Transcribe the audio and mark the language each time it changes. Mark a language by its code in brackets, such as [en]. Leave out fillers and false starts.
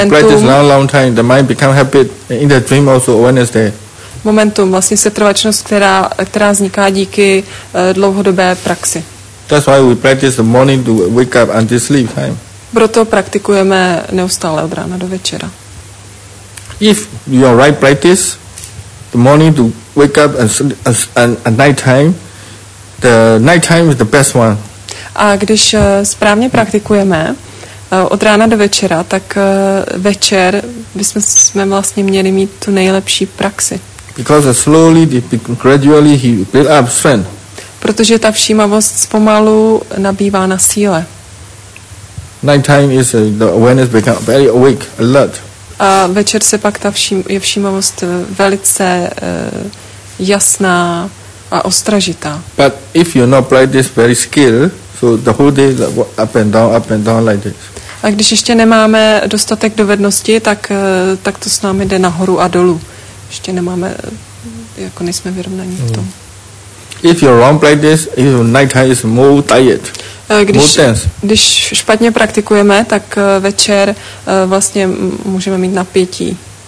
[en] You practice long time, the mind become habit, in the dream also awareness there. [cs] Momentum, vlastně setrvačnost, která vzniká díky dlouhodobé praxi. [en] That's why we practice the morning to wake up until sleep time. [cs] Proto praktikujeme neustále od rána do večera. [en] If you're right practice, the morning to wake up and night time, the night time is the best one. [cs] A když správně praktikujeme od rána do večera, tak večer jsme vlastně měli mít tu nejlepší praxi. [en] Because slowly, gradually he build up strength. [cs] Protože ta všímavost pomalu nabývá na síle. [en] Night time is the awareness become very awake, alert. [cs] A večer se pak je všímavost velice jasná a ostražitá. [en] But if you not play this very skill, so the whole day up and down like this. [cs] A když ještě nemáme dostatek dovedností, tak to s námi jde nahoru a dolů. Ještě nemáme, jako nejsme vyrovnaní v tom. [en] If you're wrong like this, if night time is more tired, more tense. [cs] Když špatně praktikujeme, tak večer vlastně můžeme mít napětí.